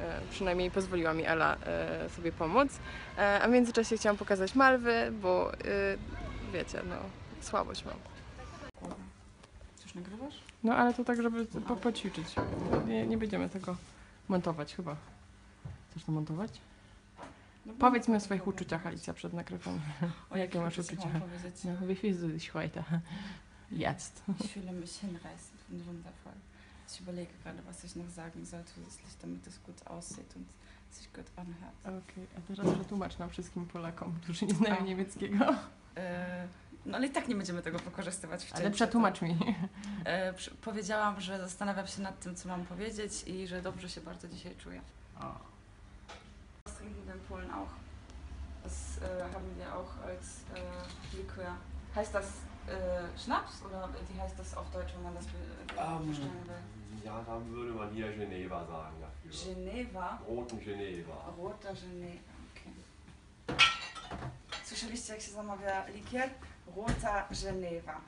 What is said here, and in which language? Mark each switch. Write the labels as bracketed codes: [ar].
[pl] Przynajmniej pozwoliła mi Ala sobie pomóc. A w międzyczasie chciałam pokazać malwy, bo wiecie, no słabość mam. Coś nagrywasz? No ale to tak, żeby poćwiczyć. Nie będziemy tego montować chyba. Chcesz to montować? No, powiedz mi o swoich uczuciach, Alicja, przed nagrywką. O jakie masz uczucia? [de] No, wie viel du dich heute jetzt. Ich fühle mich hinreißend und wundervoll. Ich überlege gerade, was ich noch sagen soll, zusätzlich, damit es gut aussieht und sich gut anhört. [pl] Okay, a teraz przetłumacz nam wszystkim Polakom, którzy nie znają niemieckiego. No ale i tak nie będziemy tego wykorzystywać wcześniej. Ale przetłumacz mi. Powiedziałam, że zastanawiam się nad tym, co mam powiedzieć i że dobrze się bardzo dzisiaj czuję. [de] In Polen auch. Das haben wir auch als Likör. Heißt das Schnaps oder wie heißt das auf Deutsch, wenn man das bestellen will? Ja, dann würde man hier Geneva sagen dafür. Geneva? Roten Geneva. Roter Geneva, okay. [pl] Słyszeliście, jak się zamawia likier? Rota Geneva.